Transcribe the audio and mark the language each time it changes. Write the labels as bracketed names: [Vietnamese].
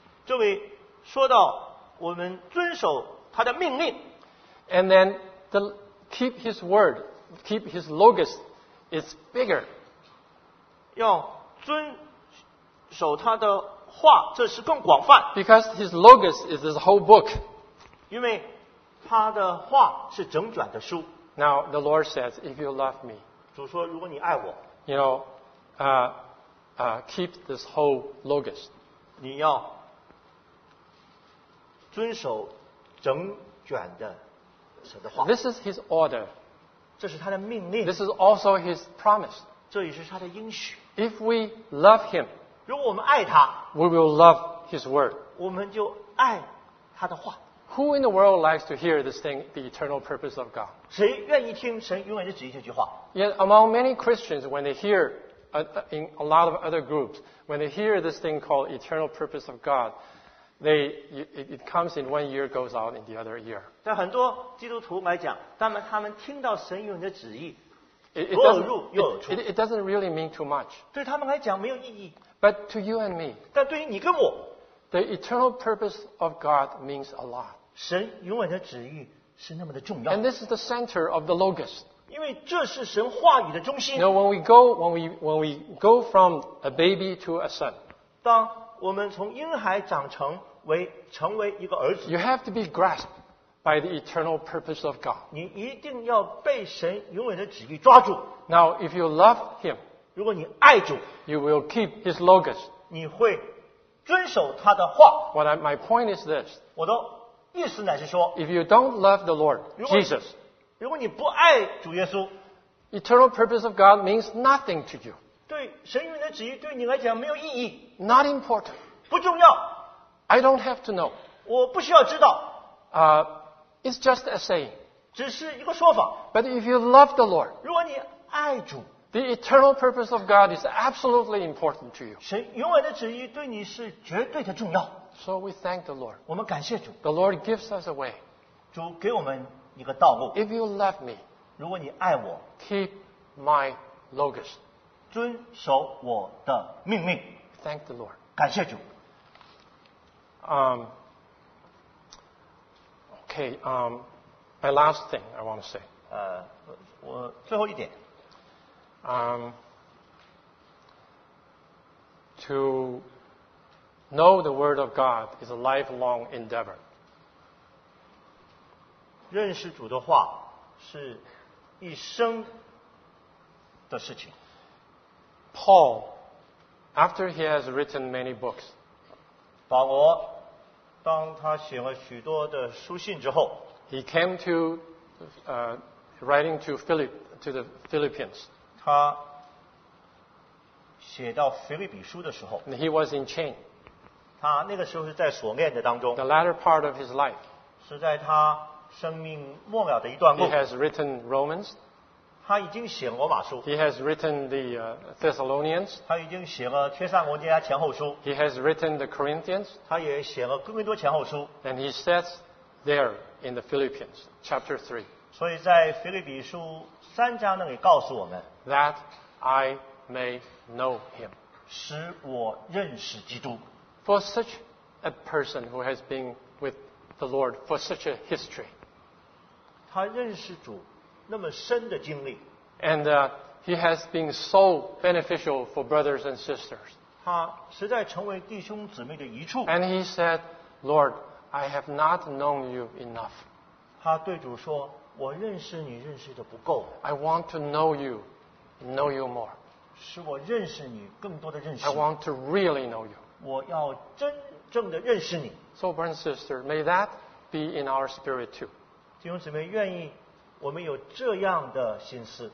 [Chinese] 这里说到我们遵守他的命令。 [English] And then the keep his word, keep his logos is bigger. [Chinese] 要遵守他的话，这是更广泛。 [English] Because his logos is his whole book. [Chinese] 因为他的话是整卷的书。 [English] Now the Lord says, if you love me. [Chinese] 主说：“如果你爱我 [English] ，you know, keep this whole logos. [Chinese] 你要遵守整卷的神的话。 [English] This is His order. [Chinese] 这是他的命令。 [English] This is also His promise. [Chinese] 这也是他的应许。 [English] If we love Him, [Chinese] 如果我们爱他 [English] ，we will love His word. [Chinese] 我们就爱他的话。 [English] Who in the world likes to hear this thing, the eternal purpose of God? [Chinese] 谁愿意听神永远的旨意这句话？ [English] Yet among many Christians, when they hear, in a lot of other groups, when they hear this thing called eternal purpose of God, it comes in one ear, goes out in the other ear. [Chinese] 但很多基督徒来讲，他们听到神永远的旨意，若入又有出。 [English] It doesn't really mean too much. [Chinese] 对他们来讲没有意义。 [English] But to you and me. [Chinese] 但对于你跟我。 [English] The eternal purpose of God means a lot. [Chinese] 神永远的旨意是那么的重要。 [English] And this is the center of the logos. [Chinese] 因为这是神话语的中心。 [English] You know, when we go, when we go from a baby to a son, [Chinese] 当我们从婴孩长成为成为一个儿子 [English] ，You have to be grasped by the eternal purpose of God. [Chinese] 你一定要被神永远的旨意抓住。 [English] Now, if you love Him, [Chinese] 如果你爱主 [English] ，You will keep His logos. [Chinese] 你会遵守他的话。 [English] What I, my point is this. [Chinese] 我的意思乃是说 [English] ，If you don't love the Lord Jesus. [Chinese] 如果你不爱主耶稣 [English] ，Eternal purpose of God means nothing to you. [Chinese] 对神永远的旨意对你来讲没有意义 [English] ，not important， [Chinese] 不重要 [English] ，I don't have to know， [Chinese] 我不需要知道 [English] ，it's just a saying， [Chinese] 只是一个说法。 [English] But if you love the Lord， [Chinese] 如果你爱主 [English] ，the eternal purpose of God is absolutely important to you。 [Chinese] 神永远的旨意对你是绝对的重要。 [English] So we thank the Lord， [Chinese] 我们感谢主。 [English] The Lord gives us a way， [Chinese] 主给我们。一个道路。 [English] If you love me, [Chinese] 如果你爱我 [English] ，keep my logos， [Chinese] 遵守我的命令。 [English] Thank the Lord， [Chinese] 感谢主。 [English] My last thing I want to say， [Chinese] 我最后一点。 [English] To know the Word of God is a lifelong endeavor。 [Chinese] 认识主的话是一生的事情。 [English] Paul, after he has written many books, [Chinese] 保罗当他写了许多的书信之后 [English] ，he came to writing to Philip to the Philippians. [Chinese] 他写到腓立比书的时候 [English] ，he was in chain. [Chinese] 他那个时候是在锁链的当中。 [English] The latter part of his life [Chinese] 是在他。生命末了的一段路。 [English] He has written Romans. [Chinese] 他已经写罗马书。 [English] He has written the Thessalonians. [Chinese] 他已经写了帖撒罗尼迦前后书。 [English] He has written the Corinthians. [Chinese] 他也写了哥林多前后书。 [English] And he says there in the Philippians, chapter 3. [Chinese] 所以在腓立比书三章那里告诉我们。 [English] That I may know him. [Chinese] 使我认识基督。 [English] For such a person who has been with the Lord for such a history. [Chinese] 他认识主那么深的经历。 [English] And he has been so beneficial for brothers and sisters. [Chinese] 他实在成为弟兄姊妹的益处。 [English] And he said, Lord, I have not known you enough. [Chinese] 他对主说，我认识你认识的不够。 [English] I want to know you more. [Chinese] 使我认识你更多的认识。 [English] I want to really know you. [Chinese] 我要真正的认识你。 [English] So, brother and sister, may that be in our spirit too. [Chinese] 弟兄姊妹，愿意我们有这样的心思。